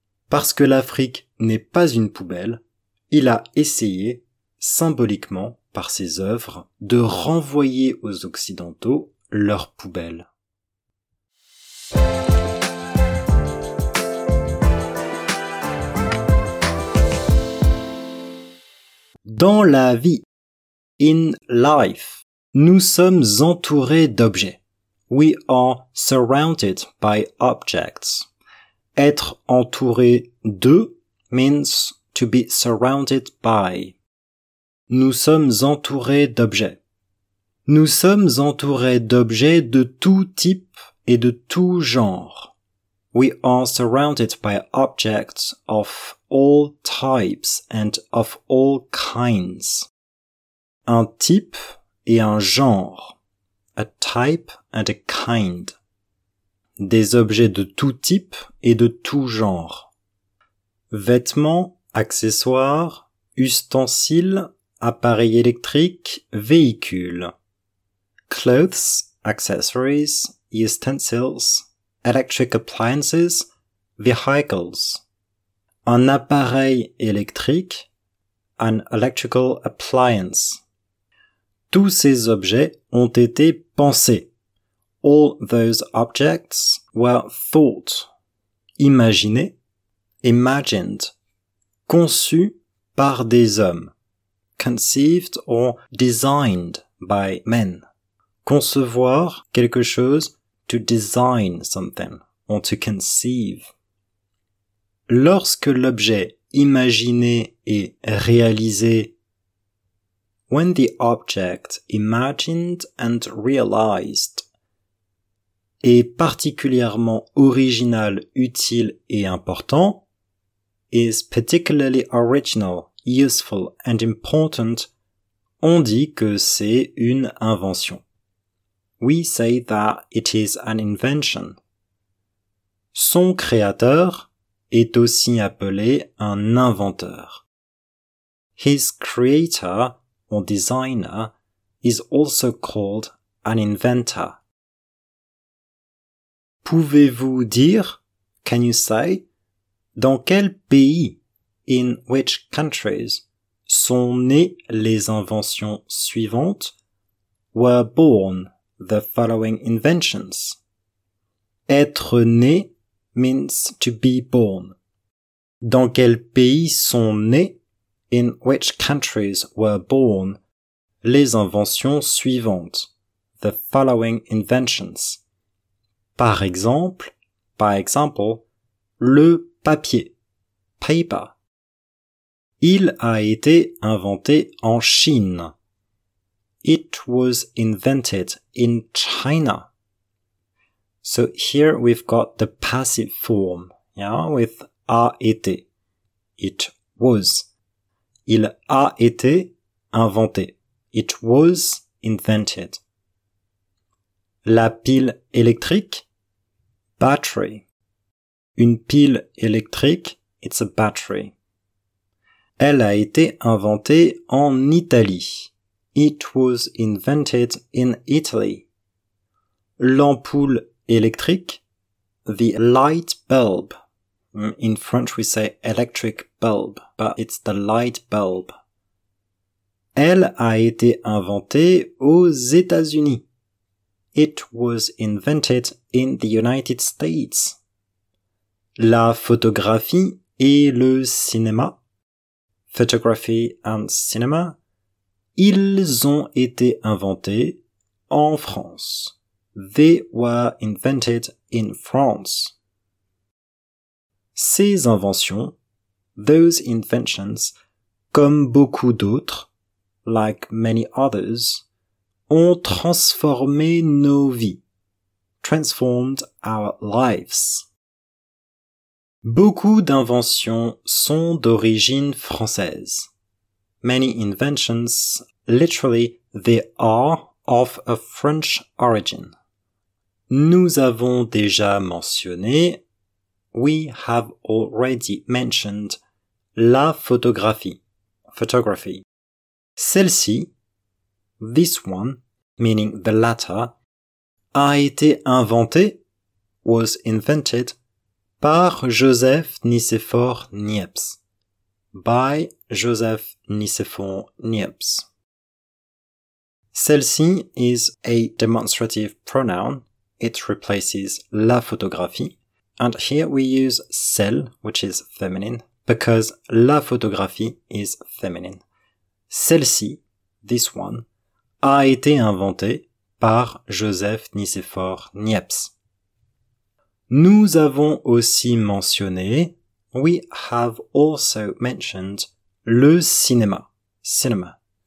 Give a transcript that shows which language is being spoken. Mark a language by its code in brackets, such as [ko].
[fr] Parce que l'Afrique n'est pas une poubelle, il a essayé, symboliquement, par ses œuvres, de renvoyer aux Occidentaux leur poubelle. Dans la vie, [en] in life, [fr] nous sommes entourés d'objets. [en] We are surrounded by objects. [fr] Être entouré de [en] means to be surrounded by. [fr] Nous sommes entourés d'objets. Nous sommes entourés d'objets de tout type et de tout genre. [en] We are surrounded by objects of all types and of all kinds. [fr] Un type et un genre. [en] A type and a kind. [fr] Des objets de tout type et de tout genre. Vêtements, accessoires, ustensiles, appareils électriques, véhicules. [en] Clothes, accessories, utensils, electric appliances, vehicles. [fr] Un appareil électrique, [en] an electrical appliance. [fr] Tous ces objets ont été pensés. [en] All those objects were thought. [fr] Imaginés, [en] imagined. [fr] Conçus par des hommes. [en] Conceived or designed by men. [fr] Concevoir quelque chose, [en] to design something, or to conceive. [fr] Lorsque l'objet imaginé est réalisé, [en] when the object imagined and realized [fr] est particulièrement original, utile et important, [en] is particularly original, useful and important, [fr] on dit que c'est une invention. [en] We say that it is an invention. [fr] Son créateur est aussi appelé un inventeur. [en] His creator or designer is also called an inventor. [fr] Pouvez-vous dire, [en] can you say, [fr] dans quel pays, [en] in which countries, [fr] sont nées les inventions suivantes, [en] were born the following inventions? [fr] Être né [en] means to be born. [fr] Dans quel pays sont nées, [en] in which countries were born, [fr] les inventions suivantes, [en] the following inventions? [fr] Par exemple, [en] by example, [fr] le papier, [en] paper. [fr] Il a été inventé en Chine. [en] It was invented in China. So here we've got the passive form, yeah, with [fr] a été. [en] It was. [fr] Il a été inventé. [en] It was invented. [fr] La pile électrique, [en] battery. [fr] Une pile électrique, [en] it's a battery. [fr] Elle a été inventée en Italie. [en] It was invented in Italy. [fr] L'ampoule électrique, [en] the light bulb. In French we say electric bulb, but it's the light bulb. [fr] Elle a été inventée aux États-Unis. [en] It was invented in the United States. [fr] La photographie et le cinéma. [en] Photography and cinema. [fr] Ils ont été inventés en France. [en] They were invented in France. [fr] Ces inventions, [en] those inventions, [fr] comme beaucoup d'autres, [en] like many others, [fr] ont transformé nos vies, [en] transformed our lives. [fr] Beaucoup d'inventions sont d'origine française. [en] Many inventions, literally, they are of a French origin. [fr] Nous avons déjà mentionné, [en] we have already mentioned, [fr] la photographie, [en] photography. [fr] Celle-ci, [en] this one, meaning the latter, [fr] a été inventée, [en] was invented, [fr] par Joseph Nicéphore Niépce. [en] By Joseph Nicéphore Niépce. Celle-ci is a demonstrative pronoun. It replaces la photographie. And here we use celle, which is feminine, because [fr] la photographie [en] is feminine. [fr] Celle-ci, [en] this one, [fr] a été inventée par Joseph Nicéphore Niépce. Nous avons aussi mentionné, [en] we have also mentioned, [fr] le cinéma, [en] cinema.